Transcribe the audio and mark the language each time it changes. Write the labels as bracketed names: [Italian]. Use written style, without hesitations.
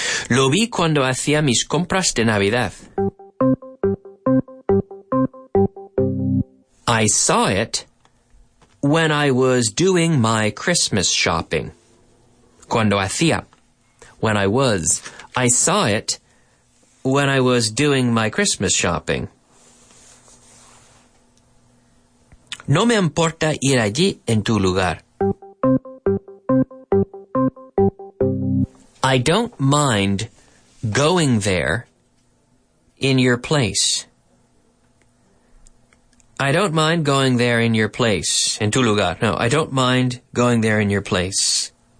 [Spanish] Lo vi cuando hacía mis compras de Navidad. [English] I saw it when I was doing my Christmas shopping. [Spanish] Cuando hacía. [English] When I was. I saw it when I was doing my Christmas shopping. [Spanish] No me importa ir allí en tu lugar. [English] I don't mind going there in your place. I don't mind going there in your place. [Spanish] En tu lugar. [English] No, I don't mind going there in your place.